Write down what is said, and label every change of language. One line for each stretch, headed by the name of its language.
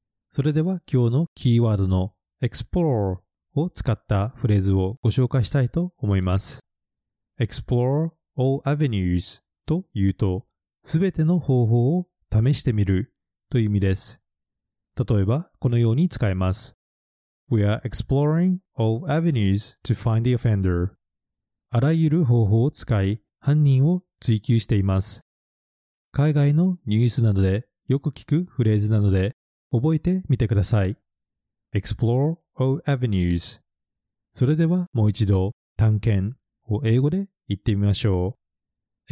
Japanese: それでは今日のキーワードの Explore を使ったフレーズをご紹介したいと思います。
English: ExploreAll avenues
Japanese: というと、すべての方法を試してみるという意味です。例えば、このように使えます。
English: We are exploring all avenues to find the offender.
Japanese: あらゆる方法を使い、犯人を追及しています。海外のニュースなどでよく聞くフレーズなので、覚えてみてください。
English: Explore all avenues.
Japanese: それでは、もう一度、探検を英語で行ってみましょう。